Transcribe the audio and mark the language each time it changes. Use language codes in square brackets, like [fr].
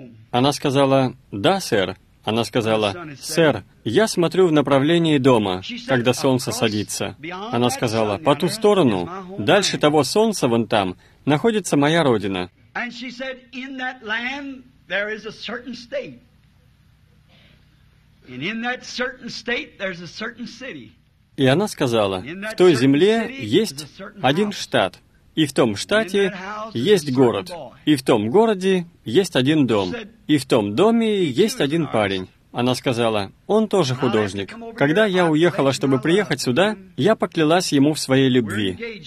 [ru] Она сказала, «Да, сэр». Она сказала, «Сэр, я смотрю в направлении дома, когда солнце садится». Она сказала, «По ту сторону, дальше того солнца вон там, находится моя родина». [en] And she said, in that land, there is a certain state. And in that certain state, there's a certain city. [ru] И она сказала, в той земле есть один штат, и в том штате есть город, и в том городе есть один дом, и в том доме есть один парень. Она сказала, «Он тоже художник. Когда я уехала, чтобы приехать сюда, я поклялась ему в своей любви.